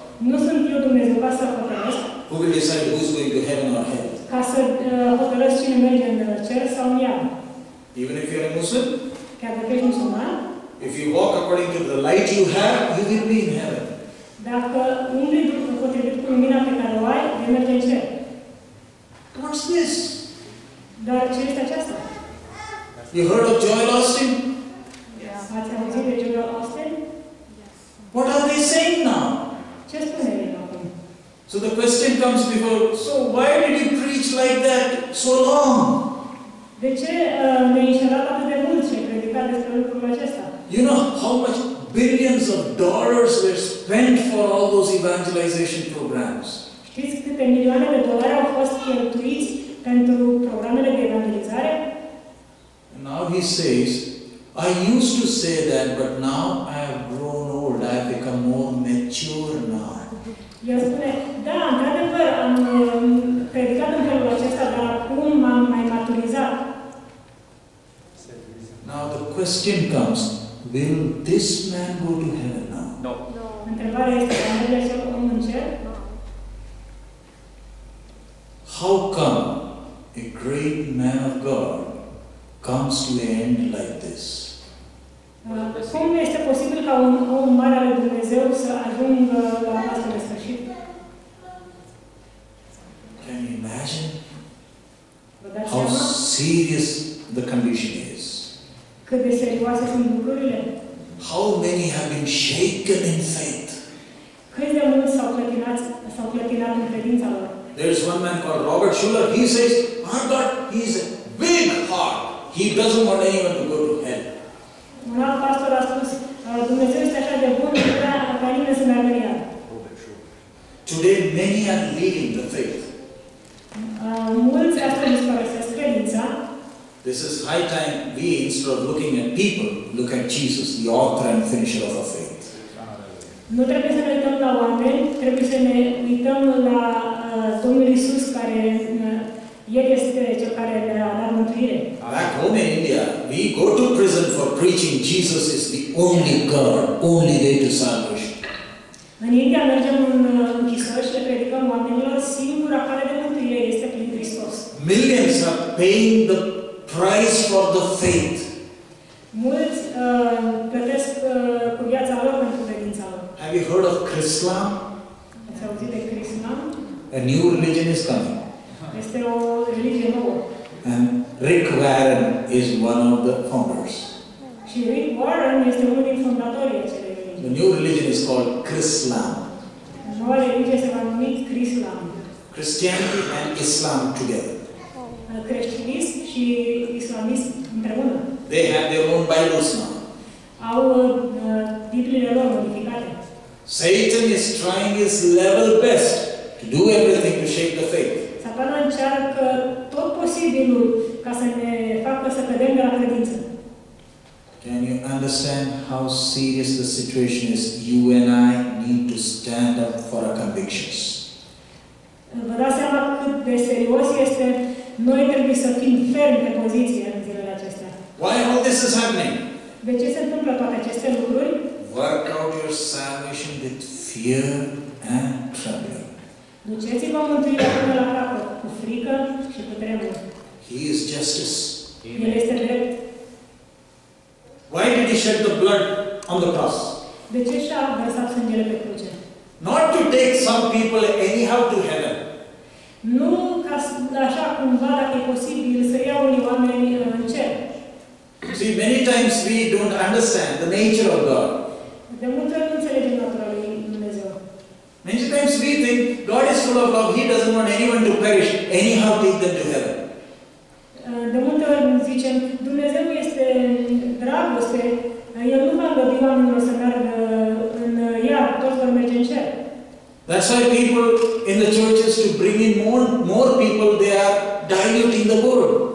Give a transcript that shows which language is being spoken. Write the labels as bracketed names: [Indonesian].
[Romanian] Nu sunt eu Dumnezeu ca să hotărăsc. [English] Who will decide who is going to heaven or hell? [Romanian] Ca să hotărăsc cine merge în cer sau în iad. [English] Even if you are a Muslim. [Romanian] Chiar dacă ești musulman. [English] If you walk according to the light you have, you will be in heaven. [Romanian] Dacă umbli după potrivit cu lumina pe care o ai, vei merge în cer. [English] What's this? [Romanian] Dar ce este aceasta? [English] You heard of Joel Austin? Yes. [Romanian] Ați auzit de Joel Austin? [English] Yes. What are they saying now? [Romanian] Ce spune ei acum? [English] So the question comes before, so why did you preach like that so long? [Romanian] De ce mi-ai înșelat atât de mult și ai predicat despre lucrul acesta? [English] You know how much billions of dollars were spent for all those evangelization programs? [Romanian] Știți câte milioane de dolari au fost cheltuiți pentru programele de evangelizare? [English] Now he says, I used to say that, but now I have grown old, I have become more mature now. [Romanian] El spune, da, într-adevăr, am predicat în felul acesta, dar acum m-am mai maturizat. [English] Now the question comes, will this man go to heaven now? No. No. [Romanian] Întrebarea este, va merge acel om în cer? [English] How come a great man of God comes to an end like this? [Romanian] Cum este posibil ca un om mare al Dumnezeu să ajungă la astfel de sfârșit? [English] Can you imagine how serious the condition is? [Romanian] Cât de serioase sunt lucrurile? [English] How many have been shaken in faith? [Romanian] Cât de mulți s-au clătinat în credința lor? [English] There's one man called Robert Schuller. He says, my God, he's a big heart. He doesn't want anyone to go to hell. [Romanian] Un alt pastor a spus, Dumnezeu este așa de bun, ca nimeni să meargă în iad. [English] Today many are leaving the faith. [Romanian] Mulți astăzi părăsesc [English] This is high time we, instead of looking at people, look at Jesus, the author and finisher of our faith. [Romanian] Nu trebuie să ne uităm la oameni, trebuie să ne uităm la Domnul Iisus, care El este Cel care ne-a dat mântuire. [English] Back home in India, we go to prison for preaching Jesus is the only God, only way to salvation. [Romanian] În India mergem în închisări și predicăm oamenilor, singura cale de mântuire este prin Hristos. [English] Millions are paying the price for the faith. [Romanian] Mulți plătesc cu viața lor pentru credința lor. [English] Have you heard of Chrislam? [Romanian] Ați auzit de Chrislam? [English] A new religion is coming. [Romanian] Este o religie nouă. [English] And Rick Warren is one of the founders. [Romanian] Și Rick Warren este unul din fondatorii acestei religii. [English] The new religion is called Chrislam. [Romanian] Noua religie se va numi Chrislam. [English] Christianity and Islam together. [Romanian] Creștinism și islamism împreună. [English] They have their own Bibles now. [Romanian] Au Bibliile lor modificate. [English] Satan is trying his level best to do everything to shake the faith. [Romanian] Satana încearcă tot posibilul ca să ne facă să cădem de la credință. [English] Can you understand how serious the situation is? You and I need to stand up for our convictions. [Romanian] Vă dați seama cât de serios este? Noi trebuie să fim fermi pe poziție în zilele acestea. [English] Why all this is happening? [Romanian] De ce se întâmplă toate aceste lucruri? [English] Work out your salvation with fear and trembling. [Romanian] Duceți-vă mântuirea până la capăt, cu frică și cu tremur. [English] He is justice. [Romanian] Amen. El este drept. [English] Why did he shed the blood on the cross? [Romanian] De ce și-a vărsat sângele pe cruce? [English] Not to take some people anyhow to heaven. [Romanian] Nu ca așa cumva, dacă e posibil, să ia unii oameni în cer. [English] See, many times we don't understand the nature of God. [Romanian] De multe ori nu înțelegem natura lui Dumnezeu. [English] Many times we think God is full of love, He doesn't want anyone to perish, anyhow take them to heaven. [Romanian] De multe ori zicem, Dumnezeu este dragoste, El nu va îngădui oamenilor să meargă în iad, toți vor merge în cer. [English] That's why people in the churches, to bring in more people, they are diluting the word.